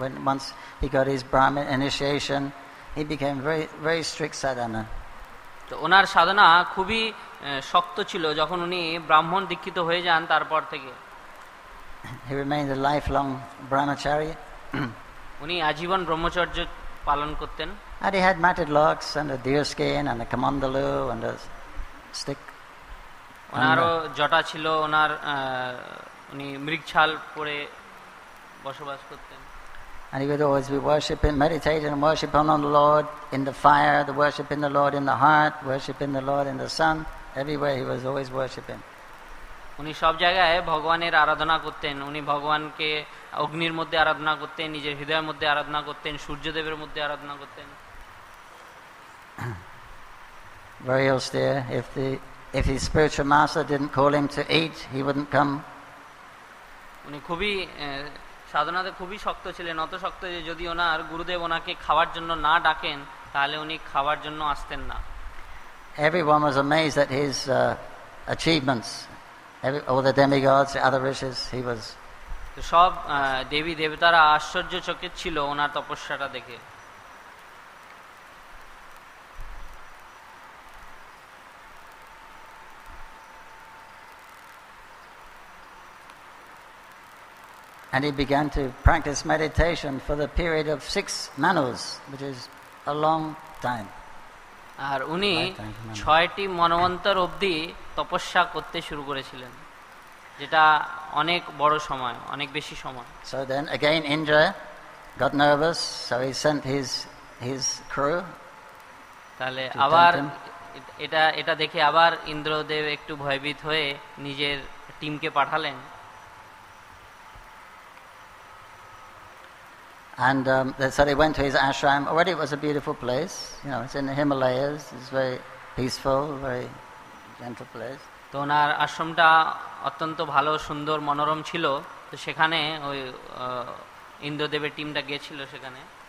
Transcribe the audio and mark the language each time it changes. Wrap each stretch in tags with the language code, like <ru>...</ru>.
<en>Once he got his Brahmin initiation, he became very very strict sadhana.</en> <bn>তো ওনার সাধনা খুবই শক্ত ছিল যখন উনি ব্রাহ্মণ দীক্ষিত হয়ে যান। তারপর থেকে</bn> <en>he remained a lifelong brahmachari.</en> <bn>উনি আজীবন ব্রহ্মচর্য পালন করতেন।</bn> <en>And he had matted locks and a deer skin and a kamandalu and a stick.</en> <bn>ওনারও জটা ছিল, ওনার উনি মৃগছাল পরে বসবাস করতেন।</bn> <en>And he would always be worshipping, meditating and worshipping on the Lord in the fire, the worshipping the Lord in the heart, worshipping the Lord in the sun. Everywhere he was always worshipping.</en> <bn>উনি সব জায়গায় ভগবানের আরাধনা করতেন। উনি ভগবানকে অগ্নির মধ্যে আরাধনা করতেন, নিজের হৃদয়ের মধ্যে আরাধনা করতেন, সূর্যদেবের মধ্যে আরাধনা করতেন।</bn> <en>Very austere. If his spiritual master didn't call him to eat, he wouldn't come.</en> <bn>উনি খুবই সাধনাতে খুবই শক্ত ছিলেন, অত শক্ত যে যদি ওনার গুরুদেব ওনাকে খাওয়ার জন্য না ডাকেন তাহলে উনি খাওয়ার জন্য আসতেন না।</bn> <en>Everyone was amazed at his achievements. All the demigods, the other rishis, he was.</en> <bn>তো সব দেবী দেবতারা আশ্চর্যচকিত ছিল ওনার তপস্যাটা দেখে।</bn> <en>And he began to practice meditation for the period of 6 manus, which is a long time.</en> <bn>আর উনি 6টি মনবন্তর অবধি তপস্যা করতে শুরু করেছিলেন, যেটা অনেক বড় সময়, অনেক বেশি সময়।</bn> <en>So then again Indra got nervous, so he sent his crew.</en> <bn>তাহলে আবার এটা দেখে আবার ইন্দ্রদেব একটু ভয়ভীত হয়ে নিজের টিমকে পাঠালেন।</bn> <en>And so they went to his ashram. Already it was a beautiful place. You know, it's in the Himalayas. It's very peaceful, very gentle place.</en> <bn>তো ওনার আশ্রমটা অত্যন্ত ভালো, সুন্দর, মনোরম ছিল। তো সেখানে ওই ইন্দ্রদেবের টিমটা গিয়েছিল সেখানে।</bn>